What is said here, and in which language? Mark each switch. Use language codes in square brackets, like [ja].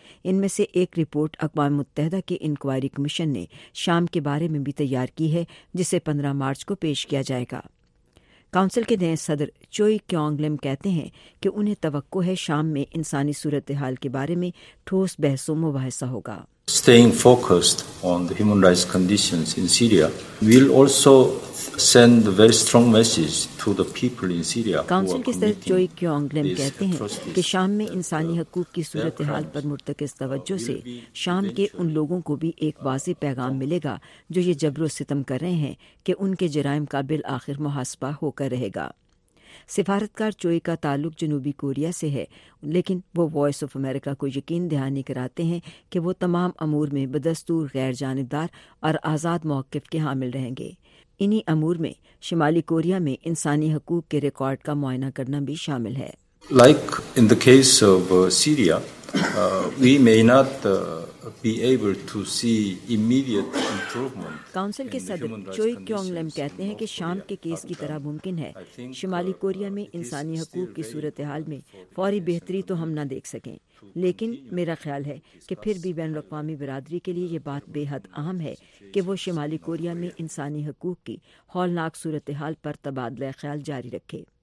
[ur] ان میں سے ایک رپورٹ اقوام متحدہ کے انکوائری کمیشن نے شام کے بارے میں بھی تیار کی ہے، جسے 15 مارچ کو پیش کیا جائے گا. کونسل کے نئے صدر چوئی کیونگ لم کہتے ہیں کہ انہیں توقع ہے شام میں انسانی صورتحال کے بارے میں ٹھوس بحث و مباحثہ ہوگا. [en] Staying focused on the human rights conditions in Syria will also send a very strong message to the people in Syria. [ur] Council کے صدر چوئی کیونگ لم کہتے ہیں کہ شام میں انسانی حقوق کی صورتحال پر مرتکز توجہ سے شام کے ان لوگوں کو بھی ایک واضح پیغام ملے گا جو یہ جبر و ستم کر رہے ہیں کہ ان کے جرائم کا بالآخر محاسبہ ہو کر رہے گا. سفارتکار چوئی کا تعلق جنوبی کوریا سے ہے، لیکن وہ وائس آف امریکہ کو یقین دہانی کراتے ہیں کہ وہ تمام امور میں بدستور غیر جانبدار اور آزاد موقف کے حامل رہیں گے. انہی امور میں شمالی کوریا میں انسانی حقوق کے ریکارڈ کا معائنہ کرنا بھی شامل ہے. [en] Like in the case of Syria, we may not be able to see immediate improvement. [ur] Council کے صدر چوئی کیونگ لم کہتے ہیں کہ شانت کے کیس کی طرح ممکن ہے, شمالی کوریا میں انسانی حقوق کی صورتحال میں فوری بہتری تو ہم نہ دیکھ سکیں, لیکن میرا خیال ہے کہ پھر بھی بین الاقوامی برادری کے لیے یہ بات بے حد اہم ہے کہ وہ شمالی کوریا میں انسانی حقوق کی ہولناک صورتحال پر تبادلہ خیال جاری رکھے.